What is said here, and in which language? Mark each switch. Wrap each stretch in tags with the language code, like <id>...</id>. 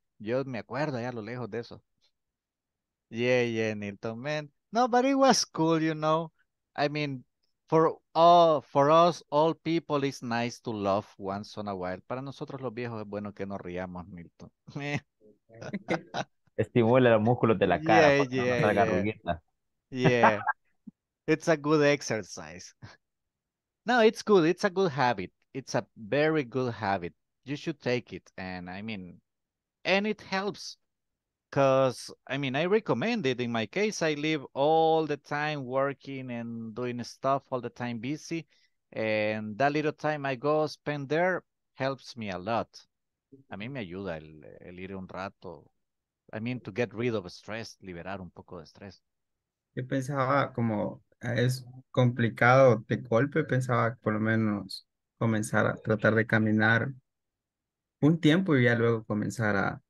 <es>Yo me acuerdo allá a lo lejos de eso.</es> <en>Yeah, Nilton, man. No, but it was cool, you know. I mean, for us, all people, it's nice to laugh once in a while.</en> <es>Para nosotros los viejos es bueno que nos riamos, Milton. Estimula los músculos de la cara.</es> <en>Yeah. It's a good exercise. No, it's good. It's a good habit. It's a very good habit. You should take it. And I mean, and it helps. Because, I mean, I recommend it. In my case, I live all the time working and doing stuff all the time busy. And that little time I go spend there helps me a lot.</en> <es>A mí me ayuda el ir un rato.</es> <en>I mean, to get rid of stress,</en> <es>liberar un poco de estrés. Yo pensaba como es complicado de golpe. Pensaba por lo menos comenzar a tratar de caminar un tiempo y ya luego comenzar a...</es>